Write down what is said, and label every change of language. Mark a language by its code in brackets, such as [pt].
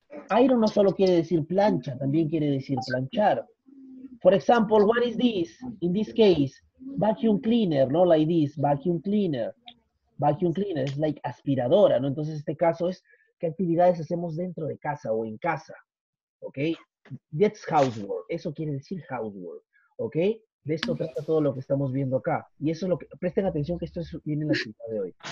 [es] Iron no solo quiere decir plancha, también quiere decir planchar. [en] For example, what is this? In this case, vacuum cleaner, no like this, vacuum cleaner. [es] Vacuum cleaner es like aspiradora, ¿no? Entonces, este caso es qué actividades hacemos dentro de casa o en casa, ¿ok? [en] That's housework. [es] Eso quiere decir housework, ¿ok? De esto trata todo lo que estamos viendo acá. Y eso es lo que... Presten atención que esto viene en la cita de hoy.